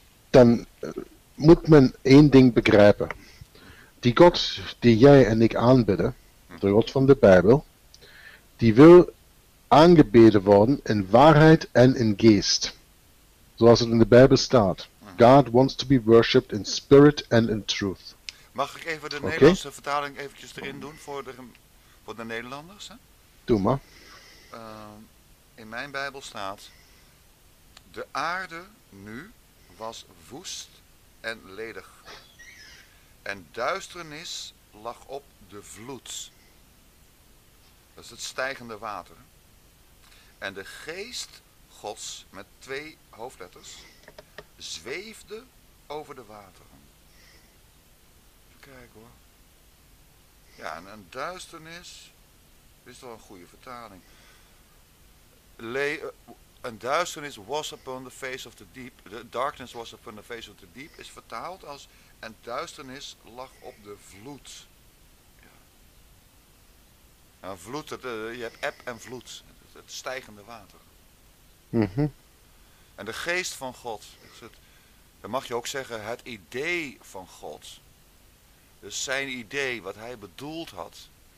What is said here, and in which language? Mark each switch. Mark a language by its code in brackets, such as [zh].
[nl] Dan moet men één ding begrijpen. Die God die jij en ik aanbidden, de God van de Bijbel, die wil aangebeden worden in waarheid en in geest. Zoals het in de Bijbel staat. [en] God wants to be worshipped in spirit and in truth. [nl] Mag ik even de Nederlandse vertaling eventjes erin doen voor de Nederlanders? Hè? Doe maar. In mijn Bijbel staat, de aarde nu was woest en ledig. En duisternis lag op de vloed. Dat is het stijgende water. En de geest Gods, met twee hoofdletters, zweefde over de wateren. Even kijken hoor. Ja, en een duisternis. Dit is toch een goede vertaling. Een duisternis [en] was upon the face of the deep. The darkness was upon the face of the deep. [nl] Is vertaald als. En duisternis lag op de vloed. Ja. Een vloed. Je hebt eb en vloed. Het stijgende water. Mm-hmm. En de geest van God. Dan mag je ook zeggen, het idee van God. Dus zijn idee, wat hij bedoeld had.